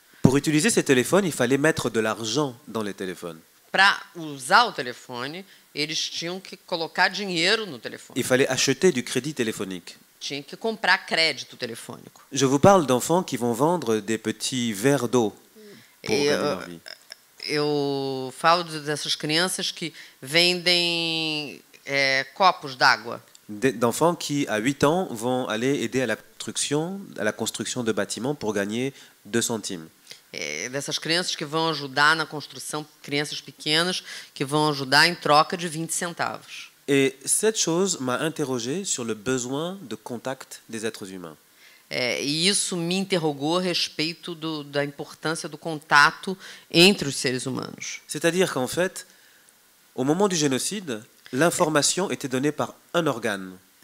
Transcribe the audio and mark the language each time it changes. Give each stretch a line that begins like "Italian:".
French: Pour utiliser ces téléphones, il fallait mettre de l'argent dans les téléphones.
Portuguese: Para usar o telefone, eles tinham que colocar dinheiro no telefone.
French: Il fallait acheter du crédit téléphonique.
Portuguese: Tinha que comprar crédito telefônico.
French: Je vous parle d'enfants qui vont vendre des petits verres d'eau.
Portuguese: Eu falo dessas crianças que vendem copos d'água.
French: D'enfants qui à 8 ans vont aller aider à la construction de bâtiments pour gagner 2 centimes.
Portuguese: Dessas crianças que vão ajudar na construção, crianças pequenas que vão ajudar em troca de 20 centavos.
French: Et cette chose m'a interrogé sur le besoin de contact des êtres humains.
Portuguese: E isso me interrogou a respeito da importância do contato entre os seres humanos.
French: C'est-à-dire qu'en fait, au moment du génocide, l'information était donnée par un organe.